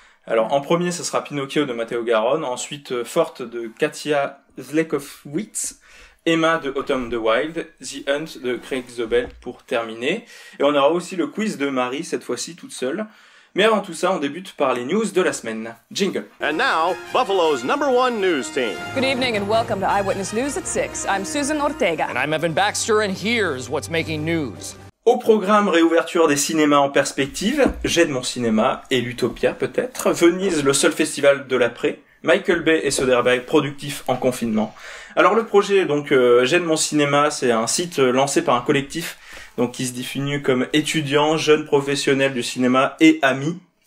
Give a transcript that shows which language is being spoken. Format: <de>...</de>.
<fr>Alors, en premier, ce sera Pinocchio de Matteo Garrone, ensuite Forte de Katia Zlekowicz, Emma de Autumn the Wild, The Hunt de Craig Zobel pour terminer. Et on aura aussi le quiz de Marie, cette fois-ci toute seule. Mais avant tout ça, on débute par les news de la semaine. Jingle.</fr> <en>And now, Buffalo's number one news team. Good evening and welcome to Eyewitness News at 6. I'm Susan Ortega. And I'm Evan Baxter and here's what's making news.</en> <fr>Au programme réouverture des cinémas en perspective, J'aide mon cinéma et l'Utopia peut-être, Venise, le seul festival de l'après, Michael Bay et Soderbergh productifs en confinement. Alors le projet, donc J'aide mon cinéma, c'est un site lancé par un collectif donc qui se définit comme étudiant, jeune professionnel du cinéma et ami.</fr>